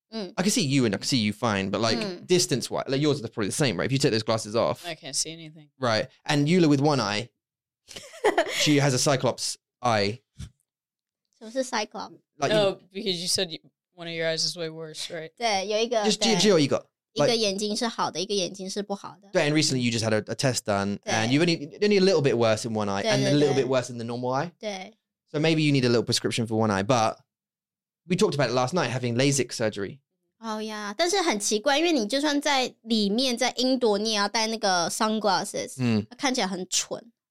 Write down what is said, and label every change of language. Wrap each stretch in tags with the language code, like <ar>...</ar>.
<en>I can see you and I can see you fine. But like, distance-wise. Like, yours are probably the same, right? If you take those glasses off. I can't see anything. Right. And Eula with one eye. She has a cyclops eye. It was a cyclops. No, because you said one of your eyes is way worse, right?</en> <zh>对,有一个, just 只有一个, 一个眼睛是好的, 一个眼睛是不好的。</zh> <en>对, and recently you just had a test done, 对, and you've only a little bit worse in one eye,</en> <zh>对,</zh> <en>and a little bit worse in the normal eye.</en> <zh>对,</zh> <en>so maybe you need a little prescription for one eye, but we talked about it last night, having LASIK surgery.</en> <zh>Oh yeah, 但是很奇怪, 因为你就算在里面, 在英国, 你也要戴那个 sunglasses, 看起来很蠢。</zh>